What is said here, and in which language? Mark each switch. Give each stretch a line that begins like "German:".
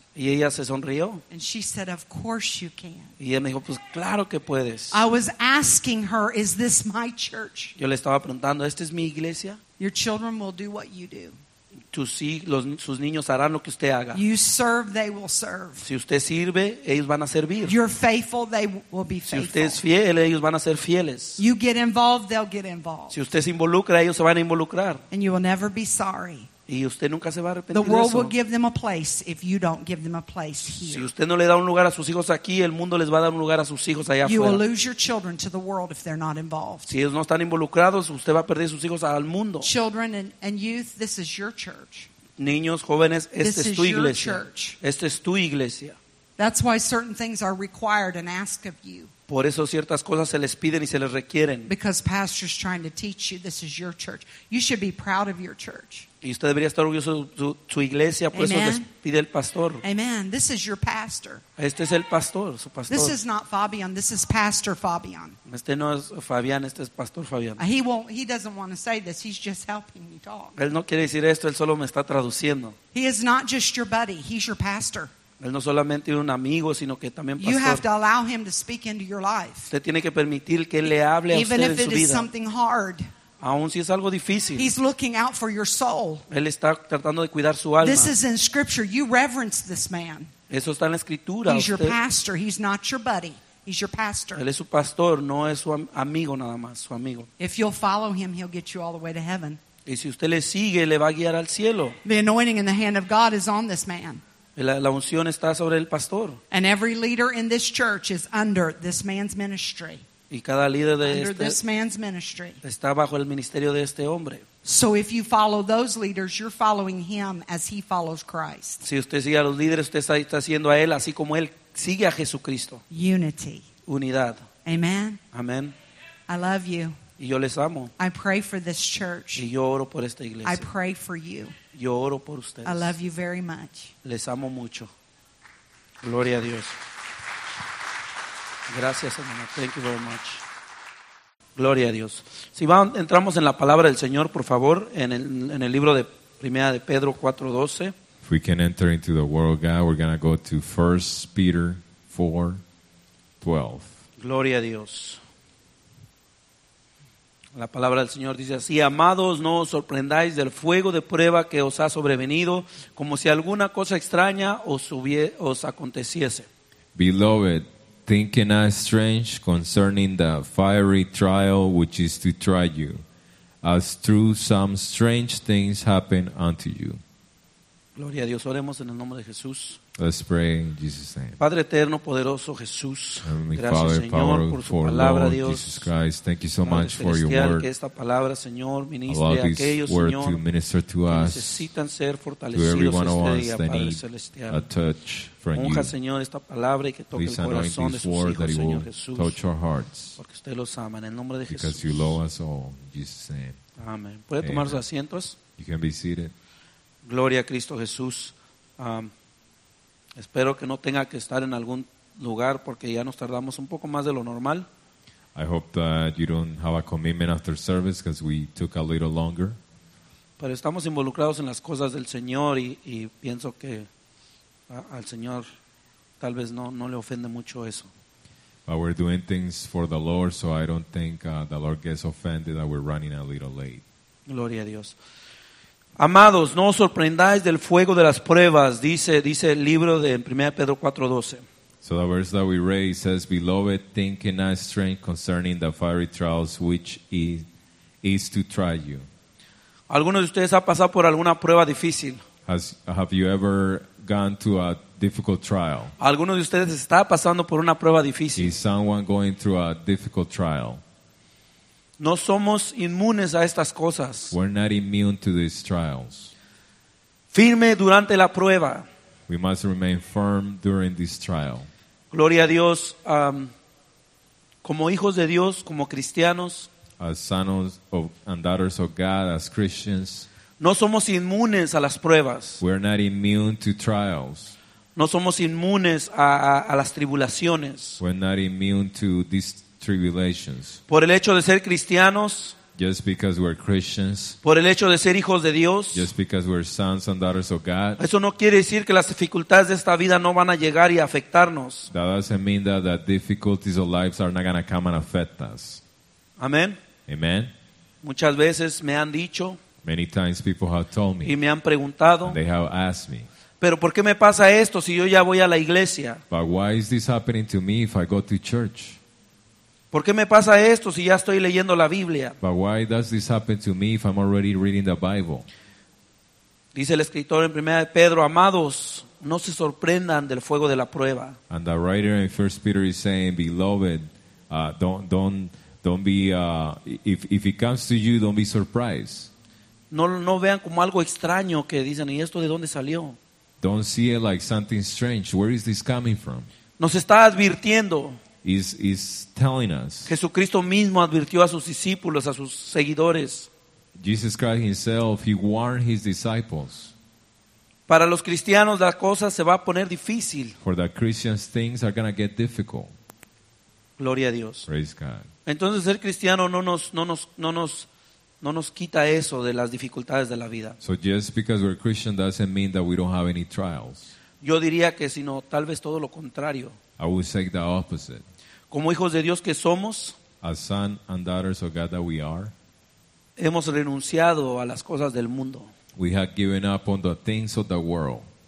Spanish: Y ella se sonrió.
English: And she said, "Of course you can."
Spanish: Y ella me dijo, "Pues claro que puedes."
English: I was asking her, "Is this my church?"
Spanish: Yo le estaba preguntando, "¿Esta es mi iglesia?"
English: Your children will do what you do.
Spanish: Sus niños harán lo que usted haga.
English: You serve, they will serve.
Spanish: Si usted sirve, ellos van a servir.
English: You're faithful, they will be faithful.
Spanish: Si usted es fiel, ellos van a ser fieles.
English: You get involved, they'll get involved.
Spanish: Si usted se involucra, ellos se van a involucrar.
English: And you will never be sorry.
Spanish: Y usted nunca se va a arrepentir eso.
English: The world will give them a place if you don't give them a place here.
Spanish: Si usted no le da un lugar a sus hijos aquí, el mundo les va a dar un lugar a sus hijos allá afuera.
English: You will lose your children to the world if they're not involved.
Spanish: Si ellos no están involucrados, usted va a perder sus hijos al mundo.
English: Children and youth, this is your church.
Spanish: Niños, jóvenes, esta es tu iglesia.
English: This is your church.
Spanish: Esta es tu iglesia.
English: That's why certain things are required and asked of you.
Spanish: Por eso ciertas cosas se les piden y se les requieren.
English: Because pastor's trying to teach you, this is your church. You should be proud of your church.
Spanish: Y usted debería estar orgulloso de su iglesia, por
English: Amen.
Spanish: Eso les pide el pastor.
English: Amen. This is your pastor.
Spanish: Este es el pastor, su pastor.
English: This is not Fabian, this is Pastor Fabian.
Spanish: Este no es Fabián, este es Pastor Fabián.
English: He doesn't want to say this, he's just helping me talk.
Spanish: Él no quiere decir esto, él solo me está traduciendo.
English: He is not just your buddy, he's your pastor.
Spanish: Él no solamente un amigo, sino que también pastor.
English: You have to allow him to speak into your life.
Spanish: Usted tiene que permitir que él le hable a
English: Even
Spanish: usted en su vida.
English: Even if it is something hard.
Spanish: Aun si es algo difícil.
English: He's looking out for your soul.
Spanish: Él está tratando de cuidar su alma.
English: This is in scripture. You reverence this man.
Spanish: Eso está en la escritura.
English: He's your pastor. He's not your buddy. He's your pastor.
Spanish: Él es su pastor, no es su amigo nada más, su amigo.
English: If you'll follow him, he'll get you all the way to heaven.
Spanish: Y si usted le sigue, le va a guiar al cielo.
English: The anointing in the hand of God is on this man.
Spanish: La unción está sobre el pastor.
English: And every leader in this church is under this man's ministry.
Spanish: Y cada líder de
English: under
Spanish: este
English: this man's ministry.
Spanish: Está bajo el ministerio de este hombre.
English: So if you follow those leaders, you're following him as he follows Christ.
Spanish: Si usted sigue a los líderes, usted está siguiendo a él así como él sigue a Jesucristo.
English: Unity.
Spanish: Unidad. Amen. Amen.
English: I love you.
Spanish: Y yo les amo.
English: I pray for this church.
Spanish: Y yo oro por esta iglesia.
English: I pray for you.
Spanish: Yo oro por ustedes.
English: I love you very much.
Spanish: Les amo mucho. Gloria a Dios. Gracias, hermano.
English: Thank you very much.
Spanish: Gloria a Dios. Si va, entramos en la palabra del Señor, por favor, en el libro de Primera de Pedro 4:12.
English: If we can enter into the word of God, we're going to go to 1 Peter 4:12.
Spanish: Gloria a Dios. La palabra del Señor dice así: Amados, no os sorprendáis del fuego de prueba que os ha sobrevenido, como si alguna cosa extraña os aconteciese.
English: Beloved, think it not strange concerning the fiery trial which is to try you, as through some strange things happen unto you.
Spanish: Gloria a Dios. Oremos en el nombre de Jesús.
English: Let's pray in Jesus' name.
Spanish: Padre eterno, poderoso Jesús.
English: Heavenly
Spanish: gracias,
English: Father,
Spanish: Señor, por su palabra,
English: Lord,
Spanish: Dios.
English: Jesus Christ, thank you so
Spanish: Padre
English: much for your word.
Spanish: Que esta palabra, Señor, ministre a aquellos, Señor,
English: to minister to us,
Spanish: que necesitan ser fortalecidos este día, Padre celestial.
English: A touch from
Spanish: Unja,
English: you.
Spanish: Señor, esta palabra y que toque
English: Please
Spanish: el corazón de sus hijos,
English: that
Spanish: Señor Jesús.
English: Touch our hearts.
Spanish: Porque usted los ama en el nombre de Jesús.
English: Because you love us all, in Jesus' name.
Spanish: Amén. ¿Puede Amen. Tomar sus asientos?
English: You can be seated.
Spanish: Gloria a Cristo Jesús. Espero que no tenga que estar en algún lugar porque ya nos tardamos un poco más de lo normal.
English: I hope that you don't have a commitment after service because we took a little longer.
Spanish: Pero estamos involucrados en las cosas del Señor y pienso que al Señor tal vez no le ofende mucho eso.
English: But we're doing things for the Lord, so I don't think the Lord gets offended that we're running a little late.
Spanish: Gloria a Dios. Amados, no os sorprendáis del fuego de las pruebas, dice el libro de 1 Pedro 4:12.
English: So the verse that we read says, Beloved, think it not strange concerning the fiery trials which is to try you.
Spanish: ¿Alguno de ustedes ha pasado por alguna prueba difícil?
English: Have you ever gone to a difficult trial?
Spanish: ¿Alguno de ustedes está pasando por una prueba difícil?
English: Is someone going through a difficult trial?
Spanish: No somos inmunes a estas cosas.
English: We're not immune to these trials.
Spanish: Firme durante la prueba.
English: We must remain firm during this trial.
Spanish: Gloria a Dios. Como hijos de Dios, como cristianos.
English: As sons of and daughters of God, as Christians.
Spanish: No somos inmunes a las pruebas.
English: We're not immune to trials.
Spanish: No somos inmunes a las tribulaciones.
English: We're not immune to these tribulations.
Spanish: Por el hecho de ser cristianos.
English: Just because we're Christians.
Spanish: Por el hecho de ser hijos de Dios.
English: Just because we're sons and daughters of God.
Spanish: Eso no quiere decir que las dificultades de esta vida no van a llegar y afectarnos.
English: That doesn't mean that the difficulties of life are not going to come and affect us. Amen. Amen.
Spanish: Muchas veces me han dicho.
English: Many times people have told me.
Spanish: Y me han preguntado.
English: They have asked me.
Spanish: Pero ¿por qué me pasa esto si yo ya voy a la iglesia?
English: But why is this happening to me if I go to church?
Spanish: ¿Por qué me pasa esto si ya estoy leyendo la Biblia?
English: But why does this happen to me if I'm already reading the Bible?
Spanish: Dice el escritor en 1 Pedro, amados, no se sorprendan del fuego de la prueba.
English: And the writer in 1 Peter is saying, beloved, don't be if it comes to you, don't be surprised.
Spanish: No vean como algo extraño que dicen, ¿y esto de dónde salió?
English: Don't see it like something strange. Where is this coming from?
Spanish: Nos está advirtiendo.
English: Is telling us.
Spanish: Jesucristo mismo advirtió a sus discípulos, a sus seguidores.
English: Jesus Christ himself, he warned his disciples.
Spanish: Para los cristianos la cosa se va a poner difícil.
English: For the Christians, things are going to get difficult.
Spanish: Gloria a Dios.
English: Praise God.
Spanish: Entonces ser cristiano no nos quita eso de las dificultades de la vida.
English: So just because we're Christian doesn't mean that we don't have any trials.
Spanish: Yo diría que sino tal vez todo lo contrario.
English: I would say the opposite.
Spanish: Como hijos de Dios que somos,
English: as son and daughters of God that we are,
Spanish: hemos renunciado a las cosas del mundo.
English: We have given up on the things of the world.